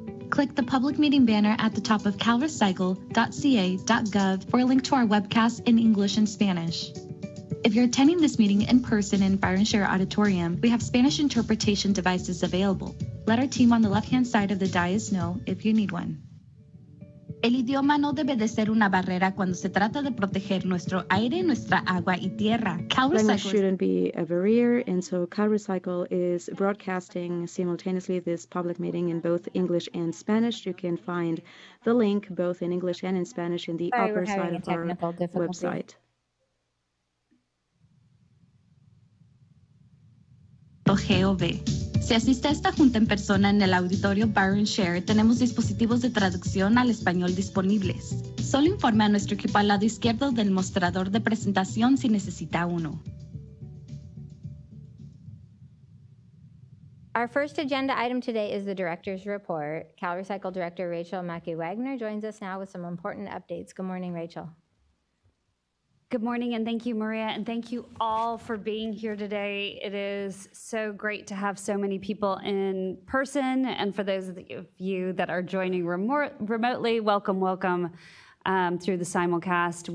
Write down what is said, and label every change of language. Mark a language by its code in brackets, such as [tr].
[en] Click the public meeting banner at the top of calrecycle.ca.gov for a link to our webcast in English and Spanish. If you're attending this meeting in person in Fire and Share Auditorium, we have Spanish interpretation devices available. Let our team on the left-hand side of the dais know if you need one. [es] El idioma no debe de ser una barrera cuando se trata de proteger nuestro aire, nuestra agua y tierra. [en] Language shouldn't be a barrier, and so CalRecycle is broadcasting simultaneously this public meeting in both English and Spanish. You can find the link both in English and in Spanish in the upper side of our website. GOV. [es] Si asiste a esta junta en persona en el auditorio Byron Share, tenemos dispositivos de traducción al español disponibles. Solo informe a nuestro equipo al lado izquierdo del mostrador de presentación si necesita uno. [en] Our first agenda item today is the director's report. CalRecycle Director Rachel Mackey-Wagner joins us now with some important updates. Good morning, Rachel. Good morning, and thank you, Maria, and thank you all for being here today. It is so great to have so many people in person, and for those of you that are joining remotely, welcome through the simulcast.